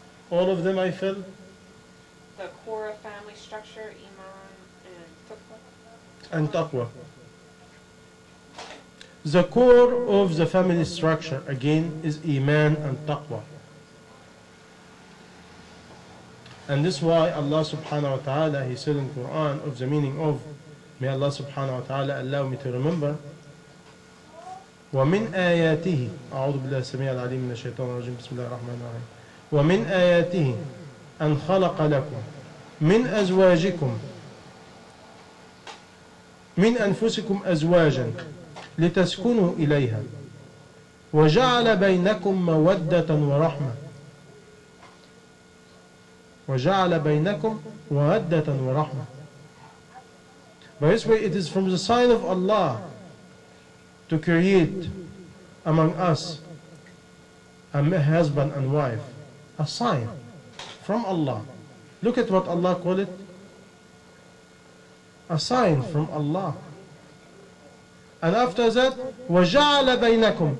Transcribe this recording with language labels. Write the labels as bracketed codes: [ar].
[en] All of them, I feel. The core of family structure, iman and taqwa. And taqwa. The core of the family structure, again, is iman and taqwa. And this is why Allah subhanahu wa ta'ala, he said in the Quran, of the meaning of, may Allah subhanahu wa ta'ala allow me to remember, [ar] وَمِنْ آيَاتِهِ أَعُوذُ بِاللَّهِ السَّمِيعَ الْعَلِيمِ مِنَ الشَّيْطَانِ الرَّجِيمِ بِسْمِ اللَّهِ الرَّحْمَنِ الرَّحِيمِ وَمِنْ آيَاتِهِ أَنْ خَلَقَ لَكُمْ مِنْ أَزْوَاجِكُمْ مِنْ أَنْفُسِكُمْ أَزْوَاجًا لِتَسْكُنُوا إِلَيْهَا وَجَعَلَ بَيْنَكُمْ مَوَدَّةً وَرَحْمَةً وَجَعَلَ بَيْنَكُمْ مَوَدَّةً وَرَحْمَةً. [en] By this way, it is from the sign of Allah to create among us a husband and wife. A sign from Allah. Look at what Allah called it. A sign from Allah. And after that, [ar] وَجَعَلَ بَيْنَكُمْ.